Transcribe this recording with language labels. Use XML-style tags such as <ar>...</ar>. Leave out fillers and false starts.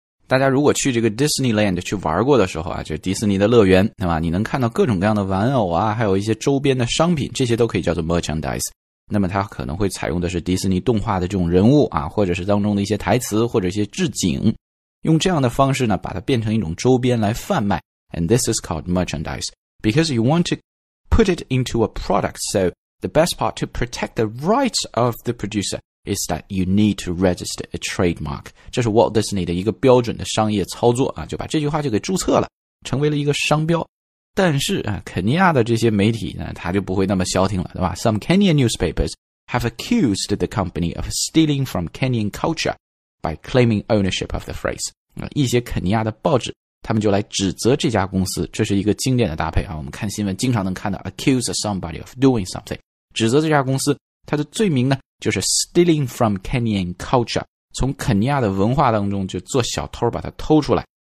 <zh>大家如果去这个 Disneyland 去玩过的时候啊，就是迪士尼的乐园，对吧？你能看到各种各样的玩偶啊，还有一些周边的商品，这些都可以叫做 merchandise。那么它可能会采用的是迪士尼动画的这种人物啊，或者是当中的一些台词或者一些置景，用这样的方式呢，把它变成一种周边来贩卖。</zh> <en>And this is called merchandise because you want to put it into a product. So the best part to protect the rights of the producer. is that you need to register a trademark.</en> <zh>这是 Walt Disney 的一个标准的商业操作啊，就把这句话就给注册了，成为了一个商标。但是啊，肯尼亚的这些媒体呢，他就不会那么消停了，对吧？</zh> <en>Some Kenyan newspapers have accused the company of stealing from Kenyan culture by claiming ownership of the phrase.</en> <zh>一些肯尼亚的报纸，他们就来指责这家公司，这是一个经典的搭配啊。我们看新闻经常能看到</zh> <en>accuse somebody of doing something,</en> <zh>指责这家公司，它的罪名呢就是</zh> <en>stealing from Kenyan culture,</en> <zh>从肯尼亚的文化当中就做小偷把它偷出来。</zh>